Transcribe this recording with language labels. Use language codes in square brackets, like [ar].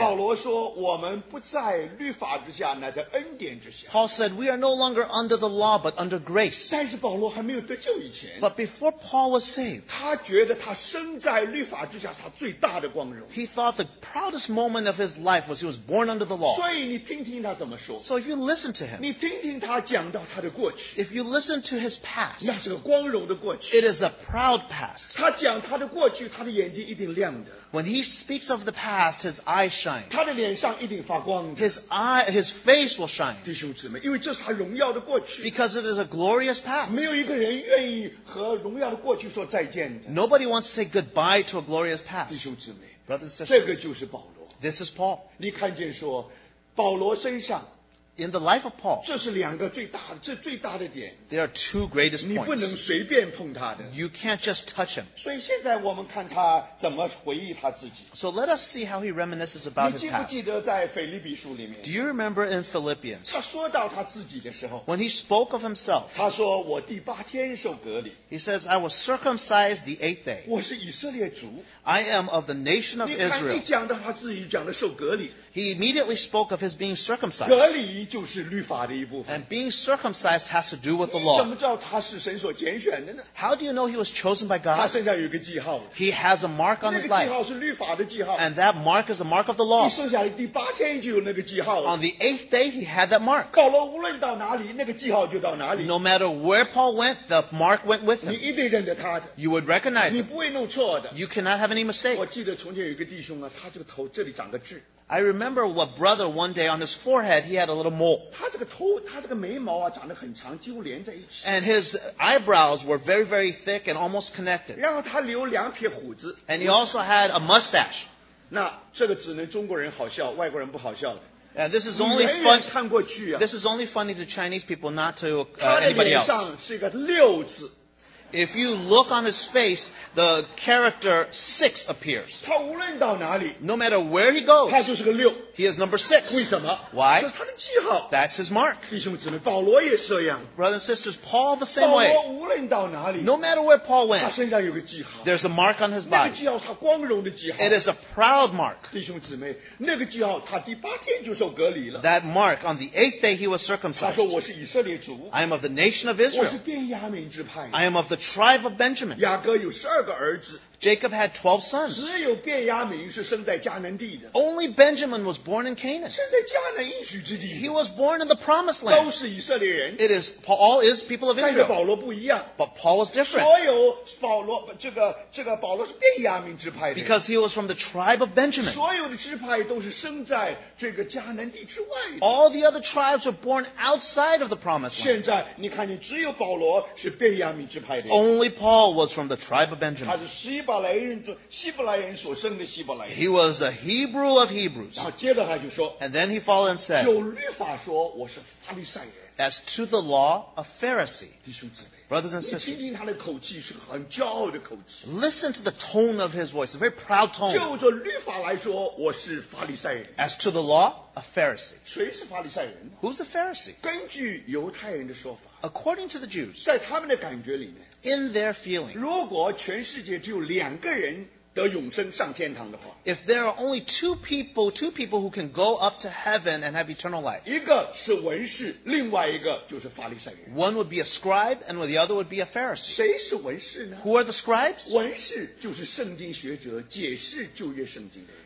[zh] 保罗说，我们不在律法之下，乃在恩典之下。 [en] Paul said, "We are no longer under the law, but under grace." [zh] 但是保罗还没有得救以前 [en] ，But before Paul was saved， [zh] 他觉得他生在律法之下，他最大的光荣。 [en] He thought the proudest moment of his life. Was he was born under the law. [zh] 所以你听听他怎么说。 [en] So if you listen to him, [zh] 你听听他讲到他的过去。 [en] If you listen to his past, [zh] 那是个光荣的过去。 [en] It is a proud past. [zh] 他讲他的过去，他的眼睛一定亮的。 [en] When he speaks of the past, his eyes shine. [zh] 他的脸上一定发光的。 [en] His face will shine. [zh] 弟兄姊妹，因为这是他荣耀的过去。 [en] Because it is a glorious past. [zh] 没有一个人愿意和荣耀的过去说再见的。 [en] Nobody wants to say goodbye to a glorious past. [zh] 弟兄姊妹 [en] ，brothers and sisters, [zh] 这个就是保罗。 [en] This is Paul. [zh] 你看见说，保罗身上 [en] ，in the life of Paul， [zh] 这是两个最大的，这最大的点。 [en] There are two greatest points. [zh] 你不能随便碰他的。 [en] You can't just touch him. [zh] 所以现在我们看他怎么回忆他自己。 [en] So let us see how he reminisces about his past. [zh] 你记不记得在腓立比书里面 [en] ？Do you remember in Philippians？ [zh] 他说到他自己的时候 [en] ，when he spoke of himself， [zh] 他说我第八天受隔离。 [en] He says I was circumcised the eighth day. [zh] 我是以色列族。 [en] I am of the nation of Israel. [zh] 你看，你讲到他自己讲的受隔离。 [en] He immediately spoke of his being circumcised. [zh] 隔离就是律法的一部分。 [en] And being circumcised has to do with the law. [zh] 你怎么知道他是神所拣选的呢 [en] ？How do you know he was chosen by God? [zh] 他身上有一个记号。 [en] He has a mark on his life. [zh] 那个记号是律法的记号。 [en] And that mark is a mark of the law. [zh] 你剩下的第八天就有那个记号。 [en] On the eighth day, he had that mark. [zh] 保罗无论到哪里，那个记号就到哪里。 [en] No matter where Paul went, the mark went with him. [zh] 你一定认得他的。 [en] You would recognize him. [zh] 你不会弄错的。 [en] You cannot have any mistake. [zh] 我记得从前有一个弟兄啊，他这个头这里长个痣。 [en] I remember what brother one day on his forehead he had a little mole. [zh] 他这个头，他这个眉毛啊，长得很长，几乎连在一起。 [en] And his eyebrows were very, very thick and almost connected. [zh] 然后他留两撇胡子。 [en] And he also had a mustache. [zh] 那这个只能中国人好笑，外国人不好笑的。 [en] And this is only funny. [zh] 看过去啊。 [en] This is only funny to Chinese people, not to anybody else. [zh] 他的脸上是一个六字。 [en] If you look on his face, the character six appears. [zh] 他无论到哪里 [en] ，no matter where he goes， [zh] 他就是个六。 [en] He is number six. [zh] 为什么 [en] ？Why？ [zh] 这是他的记号。 [en] That's his mark. [zh] 弟兄姊妹，保罗也是这样。 [en] Brothers and sisters, Paul the same way. [zh] 保罗无论到哪里 [en] ，no matter where Paul went， [zh] 他身上有个记号。 [en] There's a mark on his body. [zh] 那个记号他光荣的记号。 [en] It is a proud mark. [zh] 弟兄姊妹，那个记号他第八天就受隔离了。 [en] That mark on the eighth day he was circumcised. [zh] 他说我是以色列族。 [en] I am of the nation of Israel. [zh] 我是便雅悯支派。 [en] I am of the tribe of Benjamin. [zh] 雅各有十二个儿子。 [en] Jacob had 12 sons. [zh] 只有便雅悯是生在迦南地的。 [en] Only Benjamin was born in Canaan. [zh] 生在迦南应许之地。 [en] He was born in the promised land. [zh] 都是以色列人。 [en] It is, all is people of Israel. [zh] 但是保罗不一样。 [en] But Paul was different. [zh] 所有保罗这个保罗是便雅悯支派的。 [en] Because he was from the tribe of Benjamin. [zh] 所有的支派都是生在这个迦南地之外的。 [en] All the other tribes were born outside of the promised land. [zh] 现在你看见只有保罗是便雅悯支派的。 [en] Only Paul was from the tribe of Benjamin. [zh] 他是西伯来人，希伯来人所生的希伯来人。 [en] He was the Hebrew of Hebrews. [zh] 然后接着他就说。 [en] And then he followed and said. [zh] 就律法说我是法利赛人。 [en] As to the law, a Pharisee. [zh] 弟兄姊妹。 [en] Brothers and sisters, [zh] 你听听他的口气是很骄傲的口气。 [en] Listen to the tone of his voice, a very proud tone. [zh] 就着律法来说，我是法利赛人。 [en] As to the law, a Pharisee. [zh] 谁是法利赛人？ [en] Who's a Pharisee? [zh] 根据犹太人的说法。 [en] According to the Jews. [zh] 在他们的感觉里面。 [en] In their feeling. [zh] 如果全世界只有两个人得永生上天堂的话。 [en] If there are only two people who can go up to heaven and have eternal life. [zh] 一个是文士，另外一个就是法利赛人。 [en] One would be a scribe and the other would be a Pharisee. [zh] 谁是文士呢？ [en] Who are the scribes? [zh] 文士就是圣经学者，解释旧约圣经的人。